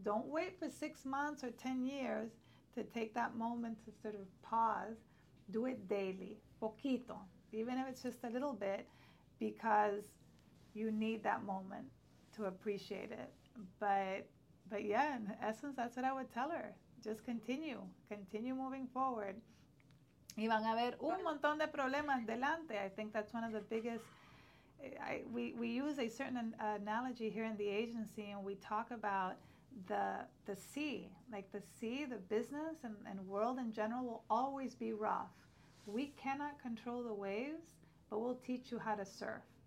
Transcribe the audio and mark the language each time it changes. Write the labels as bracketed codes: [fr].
[en] Don't wait for 6 months or 10 years to take that moment to sort of pause. Do it daily, poquito, even if it's just a little bit, because you need that moment to appreciate it. But yeah, in essence, that's what I would tell her. Just continue. Continue moving forward. [es] Y van a haber un montón de problemas delante. [en] I think that's one of the biggest... We use a certain analogy here in the agency, and we talk about the sea. Like the sea, the business and world in general will always be rough. We cannot control the waves, but we'll teach you how to surf.